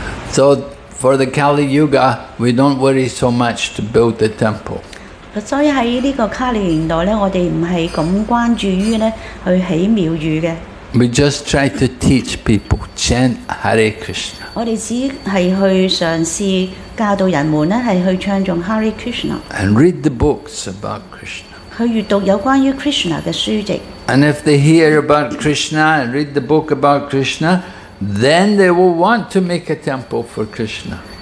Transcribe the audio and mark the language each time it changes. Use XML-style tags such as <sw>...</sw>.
<en>So for the Kali Yuga, we don't worry so much to build the temple.</en> <zh>所以在這個Kali年代，我們不是那麼關注於去建廟宇的。</zh> <en>We just try to teach people, chant Hare Krishna.</en> <zh>我們只是嘗試教導人們去唱誦 Hare Krishna.</zh> <en>And read the books about Krishna.</en> <zh>去閱讀有關於Krishna的書籍。</zh> <en>And if they hear about Krishna and read the book about Krishna, then they will want to make a temple for Krishna.</en>